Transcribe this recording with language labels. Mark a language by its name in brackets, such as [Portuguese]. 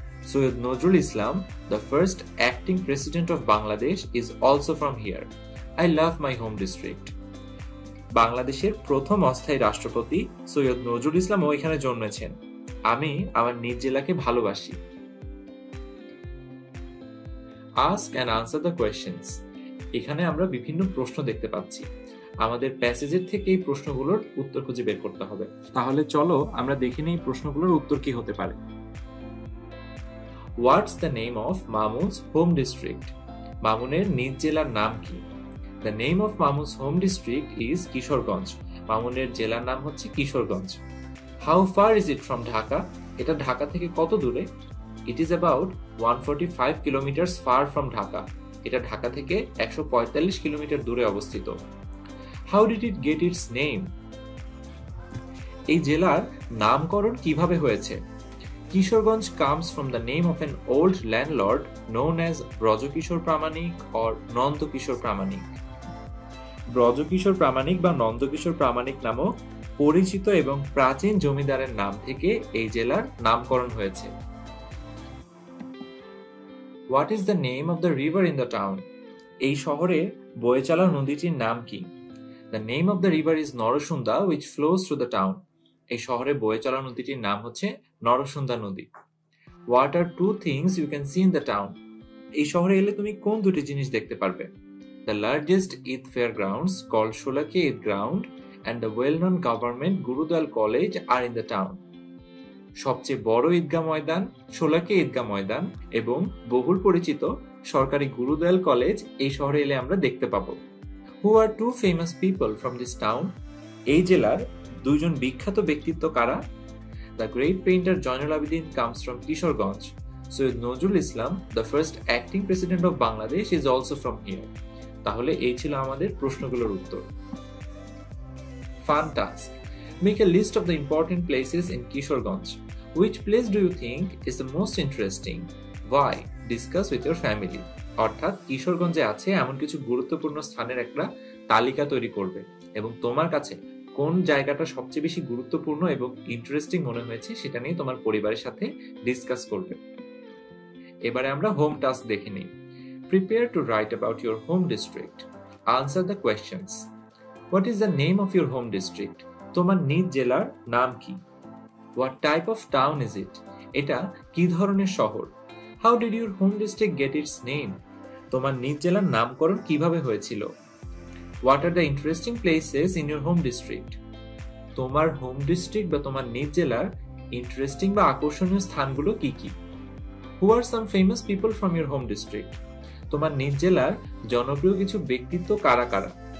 [English] Syed Nazrul Islam, the first acting president of Bangladesh, is also from here. I love my home district. [Bangla] বাংলাদেশের প্রথম অস্থায়ী রাষ্ট্রপতি সৈয়দ নজরুল ইসলামও এখানে জন্মেছেন। আমি আমার নিজ জেলাকে ভালোবাসি। [English] Ask and answer the questions। [Bangla] এখানে আমরা বিভিন্ন প্রশ্ন দেখতে পাচ্ছি, আমাদের প্যাসেজের থেকে এই প্রশ্নগুলোর উত্তর খুঁজে বের করতে হবে। তাহলে চলো আমরা দেখি নেই প্রশ্নগুলোর উত্তর কি হতে পারে। [English] What's the name of Mamu's home district? [Bangla] মামুনের নিজ জেলার নাম কি? [English] The name of Mamu's home district is Kishorganj. [Bangla] মামুনের জেলার নাম হচ্ছে Kishoreganj. [English] How far is it from Dhaka? [Bangla] এটা ঢাকা থেকে কত দূরে? [English] It is about 145 kilometers far from Dhaka. [Bangla] এটা ঢাকা থেকে 145 কিলোমিটার দূরে অবস্থিত। [English] How did it get its name? [Bangla] এই জেলার নামকরণ কিভাবে হয়েছে? [English] Kishorganj comes from the name of an old landlord known as Brajokishor Pramanik or Nandokishor Pramanik. [Bangla] Brajokishor Pramanik বা Nandokishor Pramanik নামক পরিচিত এবং প্রাচীন জমিদারের নাম থেকে এই জেলার নামকরণ হয়েছে। [English] What is the name of the river in the town? [Bangla] এই শহরে বয়ে চলা নদীটির নাম কি? [English] The name of the river is Narasunda which flows through the town. [Bangla] এই শহরে বয়ে চলা নদীটির নাম হচ্ছে নরসুন্দা নদী। [English] What are two things you can see in the town? [Bangla] এই শহরে এলে তুমি কোন দুটি জিনিস দেখতে পারবে? [English] The largest Eid fairgrounds called Sholaki Eid Ground and the well-known government Gurudwal College are in the town. [Bangla] সবচেয়ে বড় ঈদগাহ ময়দান শোলাকি ঈদগাহ ময়দান এবং বহুল পরিচিত সরকারি গুরুদয়াল কলেজ এই শহরে এলে আমরা দেখতে পাব। [English] Who are two famous people from this town? [Bangla] এই জেলার দুজন বিখ্যাত ব্যক্তিত্ব কারা? [English] The great painter Zainul Abidin comes from Kishorganj. Syed Nazrul Islam, the first acting president of Bangladesh, is also from here. [Bangla] তাহলে এই ছিল আমাদের প্রশ্নগুলোর উত্তর। [English] Fun task. Make a list of the important places in Kishorganj. Which place do you think is the most interesting? Why? Discuss with your family. [Bangla] অর্থাৎ কিশোরগঞ্জে আছে এমন কিছু গুরুত্বপূর্ণ স্থানের একটা তালিকা তৈরি করবে এবং তোমার কাছে কোন জায়গাটা সবচেয়ে বেশি গুরুত্বপূর্ণ এবং ইন্টারেস্টিং মনে হয়েছে সেটা নিয়ে তোমার পরিবারের সাথে ডিসকাস করবে। এবারে আমরা হোম টাস্ক দেখে নিই। [English] Prepare to write about your home district. Answer the questions. What is the name of your home district? [Bangla] তোমার নিজ জেলার নাম কি? [English] What type of town is it? [Bangla] এটা কি ধরনের শহর? [English] How did your home district get its name? [Bangla] তোমার নিজ জেলার নামকরণ কিভাবে হয়েছিল? [English] What are the interesting places in your home district? [Bangla] তোমার হোম ডিস্ট্রিক্ট বা তোমার নিজ জেলার ইন্টারেস্টিং বা আকর্ষণীয় স্থানগুলো কি কি? [English] Who are some famous people from your home district? [Bangla] তোমার নিজ জেলার জনপ্রিয় কিছু ব্যক্তিত্ব কারা কারা?